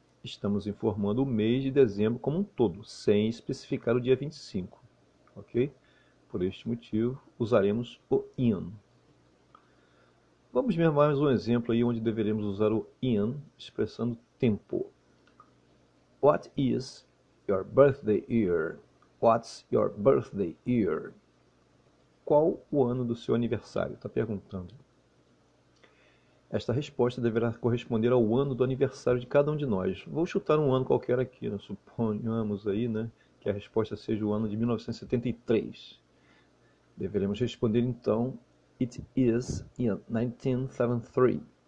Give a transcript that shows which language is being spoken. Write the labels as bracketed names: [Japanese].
[Portuguese] Estamos informando o mês de dezembro como um todo, sem especificar o dia 25. Ok? Por este motivo, usaremos o in. Vamos ver mais um exemplo aí onde deveremos usar o in expressando tempo. [English] What is your birthday year? What's your birthday year? [Portuguese] Qual o ano do seu aniversário? Está perguntando. Esta resposta deverá corresponder ao ano do aniversário de cada um de nós. Vou chutar um ano qualquer aqui, né? Suponhamos aí, né, que a resposta seja o ano de 1973. Deveremos responder então: [English] It is in 1973.